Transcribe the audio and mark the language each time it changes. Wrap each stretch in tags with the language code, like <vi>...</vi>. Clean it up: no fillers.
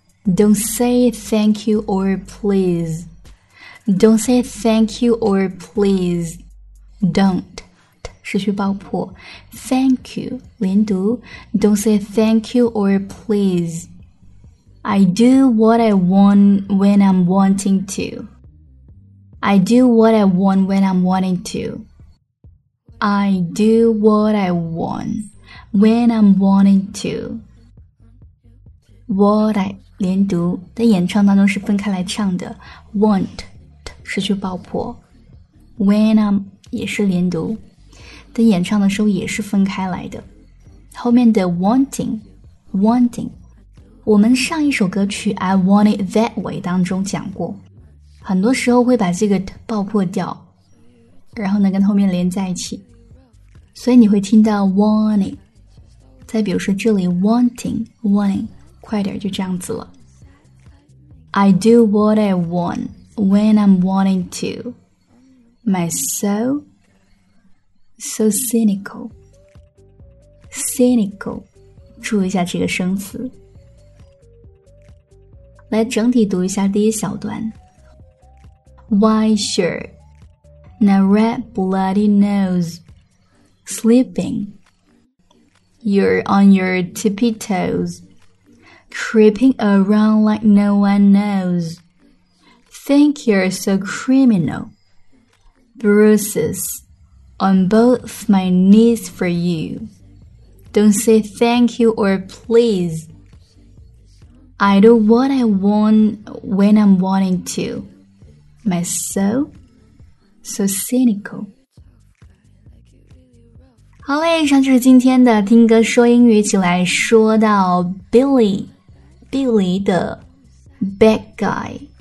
<en>Don't say thank you or please Don't say thank you or please Don't失去爆破 Thank you 连读 Don't say thank you or please I do what I want when I'm wanting to I do what I want when I'm wanting to I do what I want when I'm wanting to</en> <zh>What I 连读在演唱当中是分开来唱的 Want 失去爆破 When I'm 也是连读在演唱的时候也是分开来的。后面的 wanting 我们上一首歌曲 I want it that way 当中讲过，很多时候会把这个爆破掉，然后呢跟后面连在一起，所以你会听到 wanting。再比如说这里</zh> <en>wanting</en> <zh>快点就这样子了。</zh> <en>I do what I want when I'm wanting to my soulSo cynical Cynical</en> <zh>注意一下这个生词。来整体读一下第一小段。</zh> <en>Why sure and a red bloody nose. Sleeping. You're on your tippy toes. Creeping around like no one knows. Think you're so criminal. Bruises on both my knees for you. Don't say thank you or please. I do what I want when I'm wanting to. My soul? So cynical.</en> <zh>好嘞，以上就是今天的听歌说英语。起来说到 Billy 的 bad guy.</zh>